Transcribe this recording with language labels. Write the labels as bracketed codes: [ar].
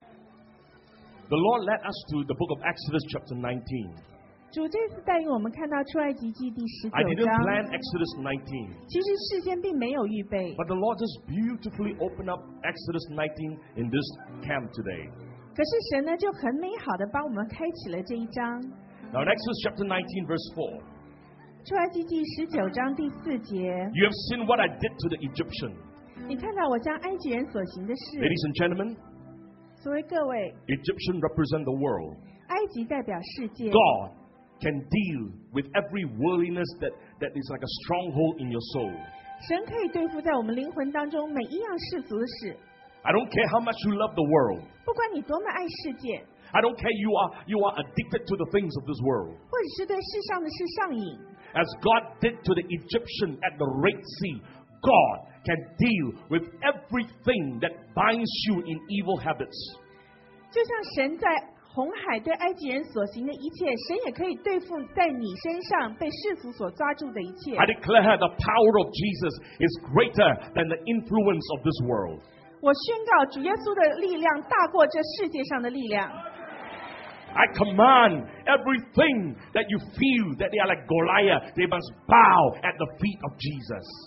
[en] The Lord led us to the book of Exodus chapter 19. [zh] 主这次带领我们看到出埃及记第十九章。 [en] I didn't plan Exodus 19. [zh] 其实事先并没有预备。 [en] But the Lord just beautifully opened up Exodus 19 in this camp today. [zh] 可是神呢，就很美好的帮我们开启了这一章。 [en] Now in Exodus chapter 19 verse 4. [zh] 出埃及记十九章第四节。 [en] You have seen what I did to the Egyptian. [zh] 你看到我将埃及人所行的事。 [en] Ladies and gentlemen. [zh] 所谓各位, [en] Egyptian represent the world. [zh] 埃及代表世界, [en] God can deal with every worldliness that is like a stronghold in your soul. [zh] 神可以对付在我们灵魂当中每一样世俗的事。 [en] I don't care how much you love the world. [zh] 不管你多么爱世界, [en] I don't care you are addicted to the things of this world. [zh] 或者是对世上的事上瘾。 [en] As God did to the Egyptian at the Red Sea, God can deal with everything that binds you in evil habits. [zh] 就像神在红海对埃及人所行的一切，神也可以对付在你身上被世俗所抓住的一切。 [en] I declare the power of Jesus is greater than the influence of this world. [zh] 我宣告主耶稣的力量大过这世界上的力量。 [en] I command everything that you feel that they are like Goliath, they must bow at the feet of Jesus.